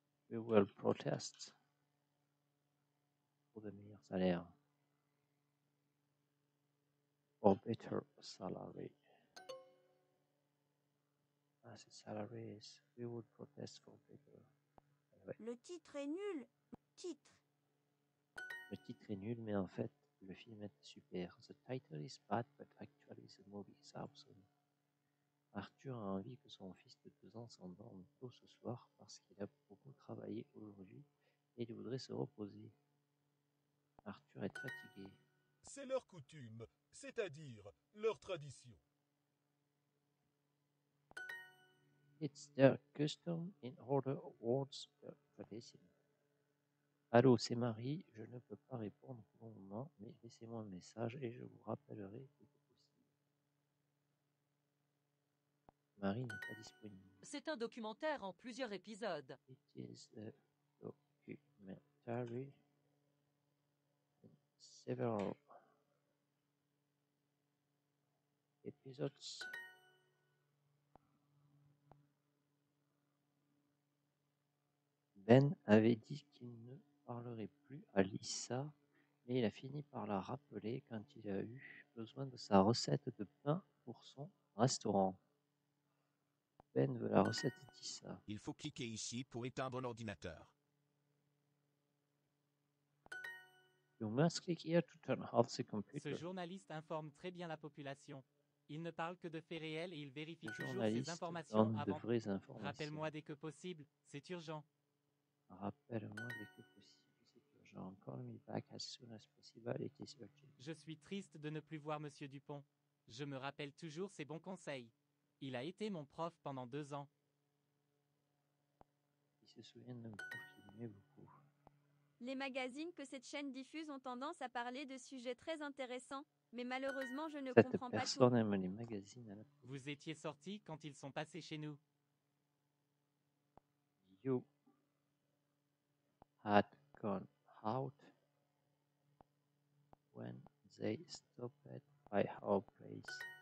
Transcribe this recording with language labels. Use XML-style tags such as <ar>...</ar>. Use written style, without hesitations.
<en>We will protest for the</en> <fr>meilleurs salaires.</fr> <en>For better salary. As the salaries, we would protest for better.</en> <fr>Le titre est nul. Le titre est nul, mais en fait, le film est super.</fr> <en>The title is bad, but actually the movie is awesome.</en> <fr>Arthur a envie que son fils de 2 ans s'endorme tôt ce soir parce qu'il a beaucoup travaillé aujourd'hui et il voudrait se reposer. Arthur est fatigué. c'est leur coutume, c'est-à-dire leur tradition.</fr> <en>It's their custom in order words per tradition.</en> <fr>Allô, c'est Marie, je ne peux pas répondre pour le moment, mais laissez-moi un message et je vous rappellerai si c'est possible. Marie n'est pas disponible. C'est un documentaire en plusieurs épisodes.</fr> <en>It is a documentary in several episodes.</en> <fr>Ben avait dit qu'il ne parlerait plus à Lisa, mais il a fini par la rappeler quand il a eu besoin de sa recette de pain pour son restaurant. Ben veut la recette d'Issa. Il faut cliquer ici pour éteindre l'ordinateur.</fr> <en>You must click here to turn off the computer.</en> <fr>Ce journaliste informe très bien la population. Il ne parle que de faits réels et il vérifie toujours ses informations avant. De vraies informations. Rappelle-moi dès que possible, c'est urgent. Rappelle-moi dès que possible, c'est urgent.</fr> <en>Call me back as soon as possible, it is urgent.</en> <fr>Je suis triste de ne plus voir Monsieur Dupont. Je me rappelle toujours ses bons conseils. Il a été mon prof pendant 2 ans. Il se souvient d'un prof qui aimait beaucoup. Les magazines que cette chaîne diffuse ont tendance à parler de sujets très intéressants, mais malheureusement, je ne cette comprends pas tout. Cette personne aime les magazines. La... Vous étiez sorti quand ils sont passés chez nous.</fr> <en>You had gone out when they stopped by our place.</en>